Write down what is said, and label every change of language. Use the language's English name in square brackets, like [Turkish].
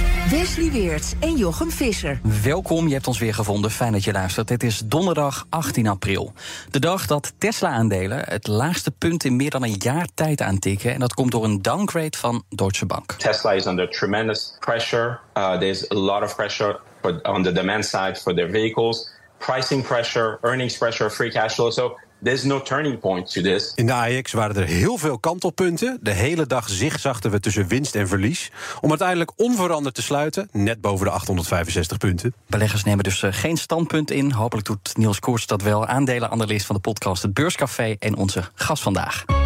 [Dutch] Wesley Weerts en Jochem Visser. Welkom, je hebt ons weer gevonden. Fijn dat je luistert. Het is donderdag 18 april. De dag dat Tesla-aandelen het laagste punt in meer dan een jaar tijd aantikken. En dat komt door een downgrade van Deutsche Bank. [English] Tesla is under tremendous pressure. There's a lot of pressure on the demand side for their vehicles. Pricing pressure, earnings pressure, free cash flow. So there's no turning point to this. [Dutch] In de AEX waren er heel veel kantelpunten. De hele dag zigzagden we tussen winst en verlies. Om uiteindelijk onveranderd te sluiten, net boven de 865 punten. Beleggers nemen dus geen standpunt in. Hopelijk doet Niels Koerts dat wel. Aandelenanalist van de podcast Het Beurscafé en onze gast vandaag.